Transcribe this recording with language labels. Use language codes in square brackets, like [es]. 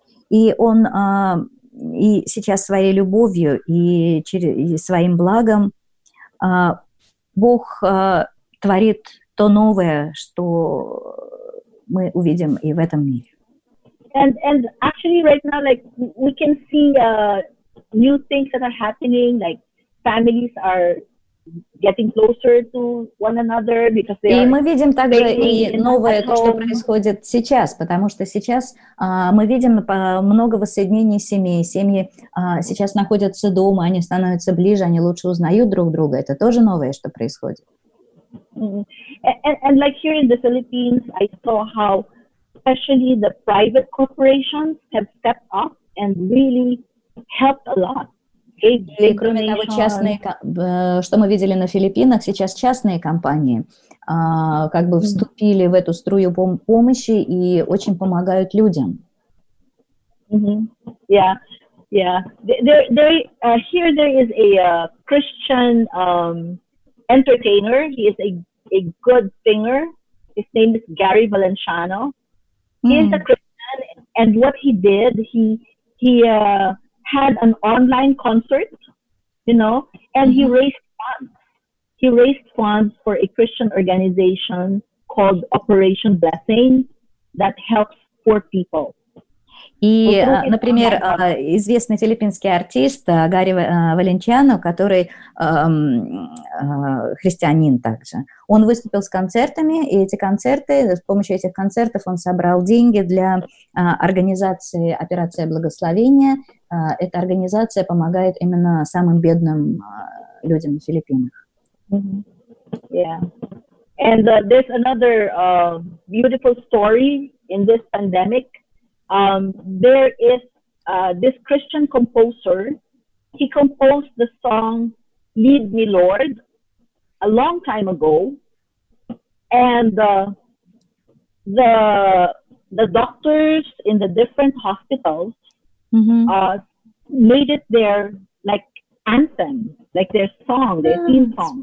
[ru] И Он и сейчас своей любовью и своим благом Бог творит то новое, что мы увидим и в этом мире. [en] And actually right now, like, we can see new things that are happening, like families are getting closer to one another because they [ru] are. И мы видим также и новое, то, что происходит сейчас, потому что сейчас мы видим много воссоединений семей, семьи сейчас находятся дома, они становятся ближе, они лучше узнают друг друга. Это тоже новое, что происходит. Mm-hmm. [en] And like here in the Philippines, I saw how especially the private corporations have stepped up and really helped a lot. [ru] И кроме того, частные, что мы видели на Филиппинах, сейчас частные компании как бы вступили в эту струю помощи и очень помогают людям. [en] Mm-hmm. Yeah, yeah. Here there is a Christian entertainer. He is a good singer. His name is Gary Valenciano. He is a Christian, and what he did, he had an online concert, you know, and he raised funds. He raised funds for a Christian organization called Operation Blessing that helps poor people. [ru] И, например, известный филиппинский артист Гарри Валенчано, который христианин также, он выступил с концертами, и эти концерты, с помощью этих концертов он собрал деньги для организации «Операция благословения». Эта организация помогает именно самым бедным людям в Филиппинах. Yeah. [en] And there's another beautiful story in this pandemic. There is this Christian composer He composed the song "Lead Me, Lord" a long time ago, and the doctors in the different hospitals made it their like anthem, like their song, their theme song.